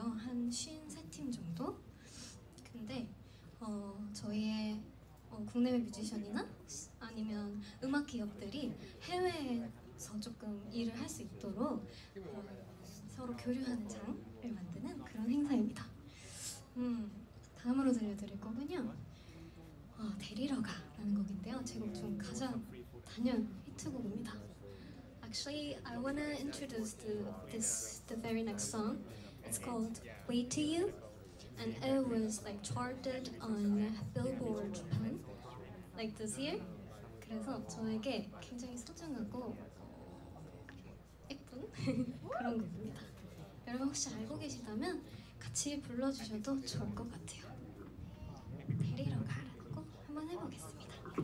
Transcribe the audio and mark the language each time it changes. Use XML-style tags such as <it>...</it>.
<ko>한 53팀 정도? 근데 저희의 국내외 뮤지션이나 아니면 음악 기업들이 해외에서 조금 일을 할 수 있도록 서로 교류하는 장을 만드는 그런 행사입니다. 다음으로 들려드릴 거군요. 데리러가 라는 곡인데요. 제곡 중 가장 단연 히트곡입니다.</ko> <en>Actually, I wanna introduce the very next song. It's called Wait to You. And it was like charted on Billboard Japan like this year.</en> <ko>그래서 저에게 굉장히 소중하고 예쁜 그런 곡입니다. 여러분 혹시 알고 계시다면 같이 불러주셔도 좋을 것 같아요. 데리러 가라는 곡 한번 해보겠습니다.</ko>